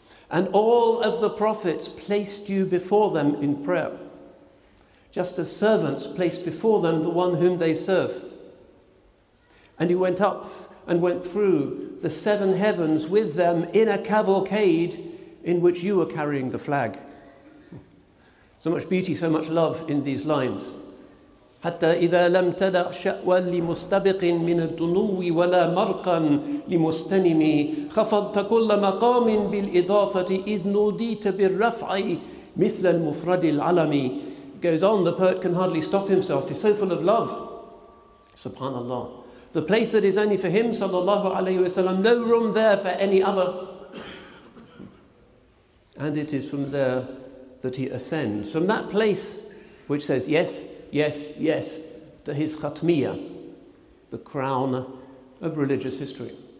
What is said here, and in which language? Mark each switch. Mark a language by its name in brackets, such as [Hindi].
[English] And all of the prophets placed you before them in prayer, just as servants place before them the one whom they serve. And you went up and went through the seven heavens with them in a cavalcade in which you were carrying the flag. So much beauty, so much love in these lines. [Arabic] حتى إذا لم تدع شأوى لمستبق من الدنو ولا مرقا لمستنمي خفضت كل مقام بالإضافة إذ نوديت بالرفع مثل المفرد العلمي. [English] Goes on, the poet can hardly stop himself. He's so full of love. Subhanallah. The place that is only for him, sallallahu alayhi wa sallam, no room there for any other. And it is from there that he ascends. From that place, which says yes, yes, yes, to his khatmiyyah, the crown of religious history.